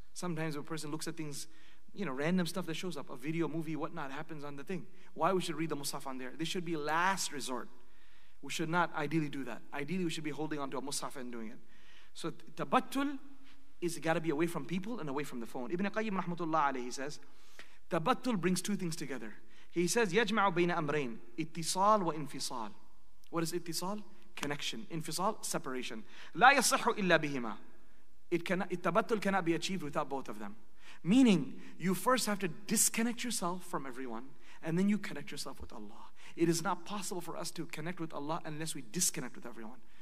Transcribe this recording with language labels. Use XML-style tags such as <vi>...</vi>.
<en>Sometimes a person looks at things, you know, random stuff that shows up, a video, movie, whatnot, happens on the thing. Why we should read the mushaf on there? This should be last resort. We should not ideally do that. Ideally, we should be holding onto a mushaf and doing it. So tabattul is got to be away from people and away from the phone. Ibn Qayyim rahmatullah alayhi says, tabattul brings two things together. He says,</en> <ar>يَجْمَعُ بَيْنَ أَمْرَيْن اتصال وانفصال.</ar> <en>What is اتصال? Connection. Infisal, separation.</en> <ar>لا يصح إلا بهما.</ar> <en>التبتل cannot be achieved without both of them. Meaning, you first have to disconnect yourself from everyone, and then you connect yourself with Allah. It is not possible for us to connect with Allah unless we disconnect with everyone.</en>